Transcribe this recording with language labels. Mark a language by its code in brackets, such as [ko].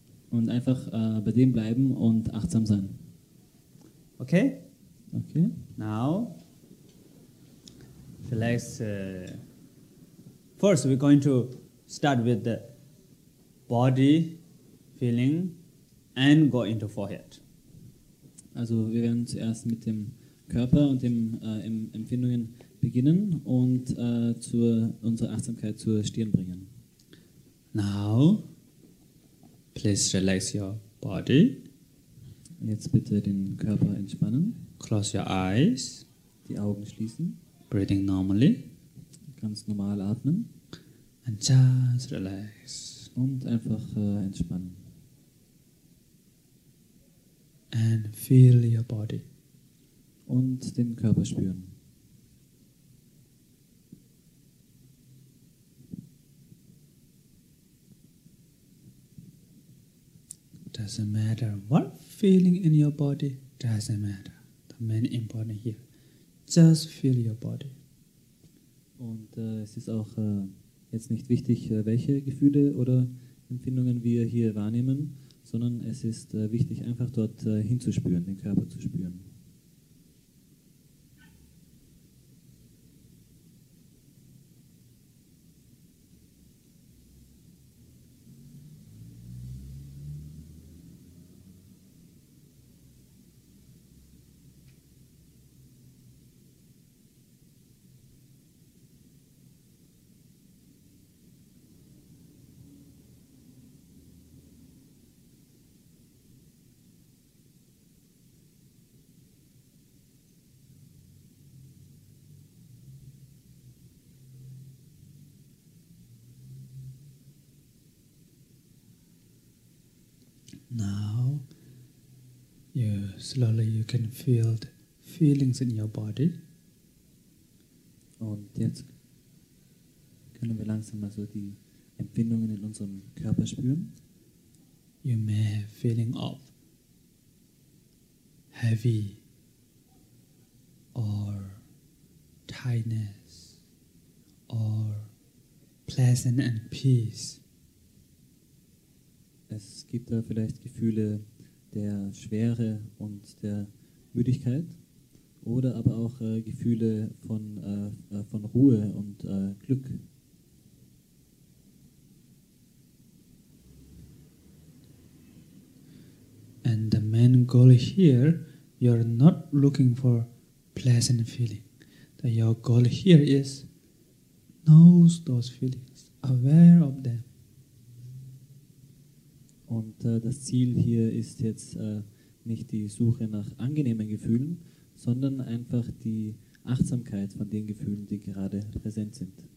[de] und einfach bei dem bleiben und achtsam sein. [en] Okay? Okay. Now, vielleicht, first we're going to start with the body feeling and go into forehead. [de] Also wir werden zuerst mit dem Körper und dem Empfindungen beginnen und zur unsere Achtsamkeit zur Stirn bringen. [en] Now, please relax your body. [de] Jetzt bitte den Körper entspannen. [en] Close your eyes. [de] Die Augen schließen. [en] Breathing normally. [de] Ganz normal atmen. [en] And just relax. [de] Und einfach entspannen. [en] And feel your body. [de] Und den Körper spüren. [en] Doesn't matter what feeling in your body, doesn't matter. The main important here, just feel your body. [de] Und es ist auch jetzt nicht wichtig, welche Gefühle oder Empfindungen wir hier wahrnehmen, sondern es ist wichtig, einfach dort hinzuspüren, den Körper zu spüren. [en] Now, you slowly you can feel the feelings in your body. [de] Und jetzt können wir langsam mal so die Empfindungen in unserem Körper spüren. [en] You may have feeling of heavy or tightness or pleasant and peace. [de] Es gibt da vielleicht Gefühle der Schwere und der Müdigkeit oder aber auch Gefühle von Ruhe und Glück. [en] And the main goal here, you're not looking for pleasant feeling. That your goal here is know those feelings, aware of them. [de] Und das Ziel hier ist jetzt nicht die Suche nach angenehmen Gefühlen, sondern einfach die Achtsamkeit von den Gefühlen, die gerade präsent sind.